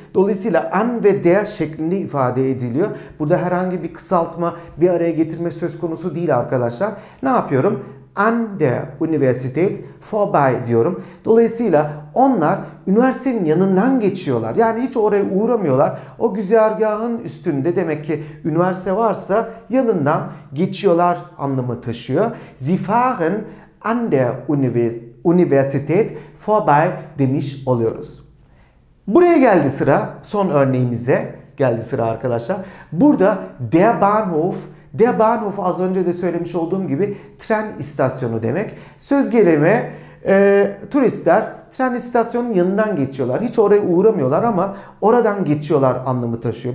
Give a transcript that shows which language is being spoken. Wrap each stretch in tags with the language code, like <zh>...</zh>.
<tr>Dolayısıyla an ve der şeklinde ifade ediliyor. Burada herhangi bir kısaltma, bir araya getirme söz konusu değil arkadaşlar. Ne yapıyorum?</tr> <de>An der Universität vorbei</de> <tr>diyorum. Dolayısıyla onlar üniversitenin yanından geçiyorlar. Yani hiç oraya uğramıyorlar. O güzergahın üstünde demek ki üniversite varsa yanından geçiyorlar anlamı taşıyor.</tr> <de>Sie fahren an der Universität vorbei</de> <tr>demiş oluyoruz. Buraya geldi sıra. Son örneğimize geldi sıra arkadaşlar. Burada der Bahnhof. Der Bahnhof az önce de söylemiş olduğum gibi tren istasyonu demek. Söz gelimi turistler tren istasyonunun yanından geçiyorlar. Hiç oraya uğramıyorlar ama oradan geçiyorlar anlamı taşıyor.</tr>